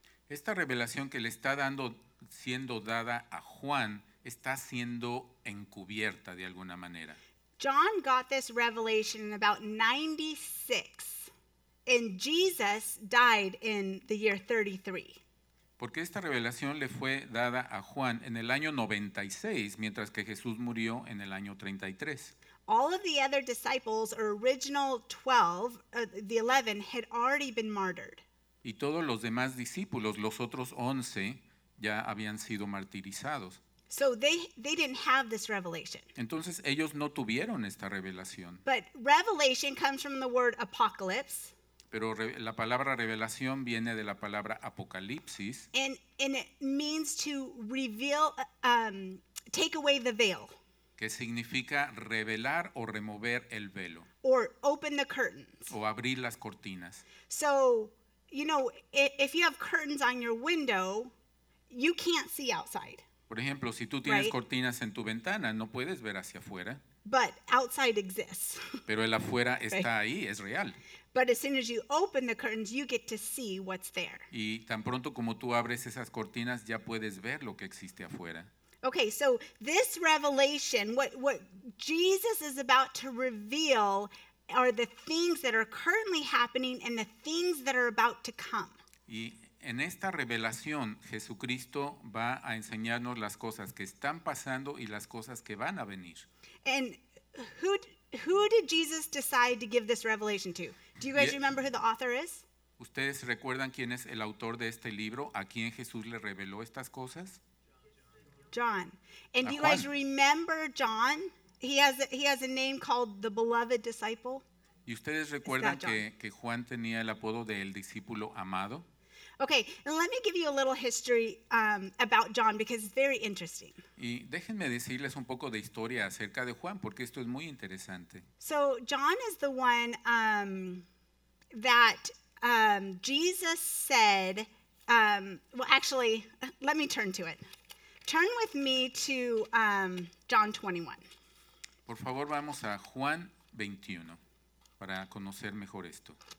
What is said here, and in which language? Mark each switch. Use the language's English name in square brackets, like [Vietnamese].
[Spanish] Esta revelación que le está dando, siendo dada a Juan, está siendo encubierta de alguna manera. [English] John got this revelation in about 96, and Jesus died in the year 33. [Spanish] Porque esta revelación le fue dada a Juan en el año 96, mientras que Jesús murió en el año 33. [English] All of the other disciples, or original 12, the 11, had already been martyred. [Spanish] Y todos los demás discípulos, los otros 11, ya habían sido martirizados. [English] So they didn't have this revelation. [Spanish] Entonces ellos no tuvieron esta revelación. [English] But revelation comes from the word apocalypse. [Spanish] Pero la palabra revelación viene de la palabra apocalipsis. [English] And it means to reveal, take away the veil. [Spanish] Que significa revelar o remover el velo. [English] Or open the curtains. [Spanish] O abrir las cortinas. [English] So, you know, if you have curtains on your window, you can't see outside. [Spanish] Por ejemplo, si tú tienes cortinas en tu ventana, no puedes ver hacia afuera. [English] But outside exists. [Spanish] Pero el afuera está ahí, es real. [English] But as soon as you open the curtains, you get to see what's there. [Spanish] Y tan pronto como tú abres esas cortinas, ya puedes ver lo que existe afuera. [English] Okay, so this revelation, what Jesus is about to reveal are the things that are currently happening and the things that are about to come. [Spanish] Y en esta revelación, Jesucristo va a enseñarnos las cosas que están pasando y las cosas que van a venir. [English] And who did Jesus decide to give this revelation to? Do you guys remember who the author is? [Spanish] ¿Ustedes recuerdan quién es el autor de este libro? ¿A quién Jesús le reveló estas cosas? [English] John. And do you guys remember John? He has a name called the beloved disciple. [Spanish] ¿Y ustedes recuerdan que Juan tenía el apodo de el discípulo amado? [English] Okay, and let me give you a little history about John because it's very interesting. [Spanish] Y déjenme decirles un poco de historia acerca de Juan porque esto es muy interesante. [English] So John is the one that Jesus said, well actually, let me turn to it. Turn with me to John 21. [Spanish] Por favor, vamos a Juan 21 para conocer mejor esto.